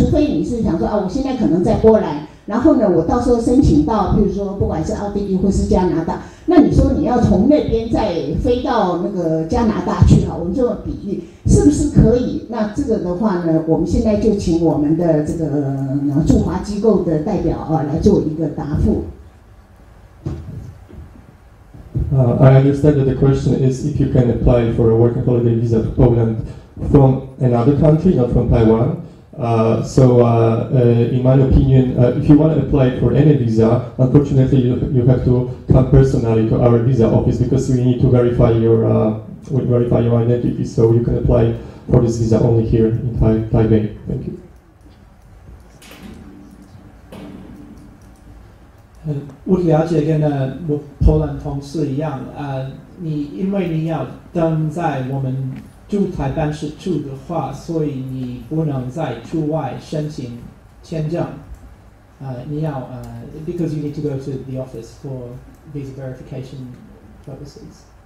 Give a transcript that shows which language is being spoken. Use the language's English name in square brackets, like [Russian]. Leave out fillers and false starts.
[Chinese] 除非你是想说啊，我现在可能在波兰，然后呢我到时候申请到譬如说不管是奥地利或是加拿大，那你说你要从那边再飞到那个加拿大去啊，我们就比喻是不是可以。那这个的话呢，我们现在就请我们的这个驻华机构的代表啊来做一个答复。 [English] I understand that the question is if you can apply for a working holiday visa to Poland from another country, not from Taiwan. In my opinion, if you want to apply for any visa, unfortunately you have to come personally to our visa office because we need to verify your identity, so you can apply for this visa only here in Taipei. Thank you. [Chinese] 我了解跟波兰同事一样，你因为你要登在我们驻台办事处的话，所以你不能在驻外申请签证。 [English] 你要because you need to go to the office for visa verification purposes.